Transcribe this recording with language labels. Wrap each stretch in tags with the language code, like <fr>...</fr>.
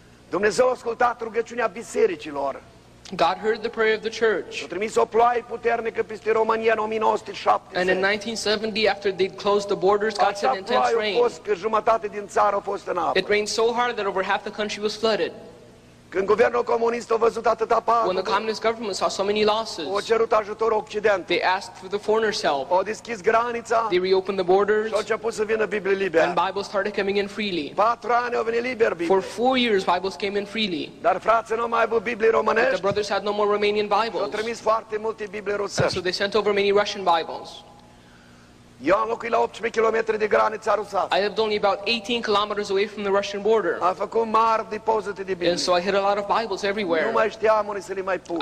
<ro>Dumnezeu a ascultat rugăciunea bisericilor.</ro> <en>God heard the prayer of the church.</en> <ro>A trimis o ploaie puternică peste România în 1970.</ro> <en>And in 1970, after they closed the borders, God sent intense rain.</en> <ro>A fost că jumătate din țară a fost în apă.</ro> <en>It rained so hard that over half the country was flooded.</en> <ro>Când guvernul comunist a văzut atâta pagubă,</ro> <en>when the communist government saw so many losses,</en> <ro>au cerut ajutor Occident.</ro> <en>They asked for the foreigners' help.</en> <ro>Au deschis granița.</ro> <en>They reopened the borders.</en> <ro>Și au început să vină Biblie liberă.</ro> <en>And Bibles started coming in freely.</en> <ro>4 ani au venit liber Biblie.</ro> <en>For 4 years, Bibles came in freely.</en> <ro>Dar frații nu mai aveau Biblie românești.</ro> <en>The brothers had no more Romanian Bibles.</en> <ro>Au trimis foarte multe Biblie rusești.</ro> <en>And so they sent over many Russian Bibles.</en> <ro>Eu am locuit la 18 km de granița rusească.</ro> <en>I lived only about 18 kilometers away from the Russian border.</en> <ro>Am făcut mari depozite de Biblie.</ro> <en>And so I hid a lot of Bibles everywhere.</en> <ro>Nu mai știam unde să le mai pun.</ro>